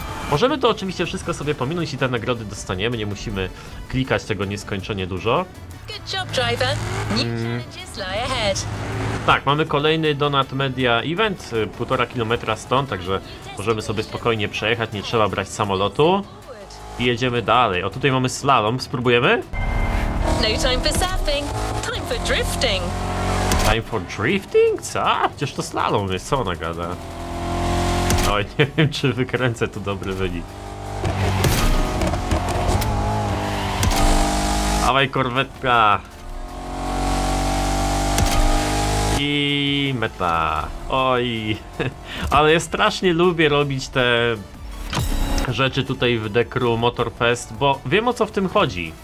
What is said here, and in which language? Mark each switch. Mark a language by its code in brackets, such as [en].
[pl] Możemy to oczywiście wszystko sobie pominąć i te nagrody dostaniemy, nie musimy klikać tego nieskończenie dużo. [en] Good job, driver. New challenges lie ahead. [pl] Tak, mamy kolejny Donut Media Event, 1,5 km stąd, także możemy sobie spokojnie przejechać, nie trzeba brać samolotu. I jedziemy dalej. O, tutaj mamy slalom, spróbujemy? [en] No time for surfing, time for drifting. Time for drifting? Co? [pl] Przecież to slalom jest, co ona gada? Oj, nie wiem, czy wykręcę tu dobry wynik. Dawaj, korwetka! I meta. Oj, ale ja strasznie lubię robić te rzeczy tutaj w The Crew Motor Fest, bo wiem, o co w tym chodzi.